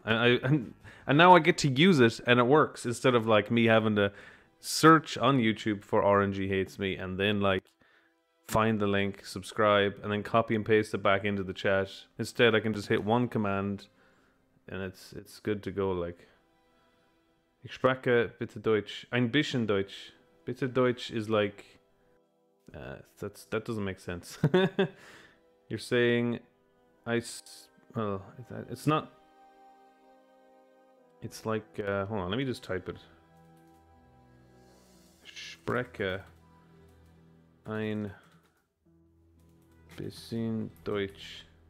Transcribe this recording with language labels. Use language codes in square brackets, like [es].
[en] And now I get to use it and it works, instead of like me having to search on YouTube for RNG Hates Me and then like find the link, subscribe, and then copy and paste it back into the chat. Instead, I can just hit one command and it's good to go. [de] Like, ich spreche bitte Deutsch, ein bisschen Deutsch. Bitte Deutsch [en] is like, that doesn't make sense. You're saying, hold on, let me just type it. [de] Spreche ein bisschen Deutsch.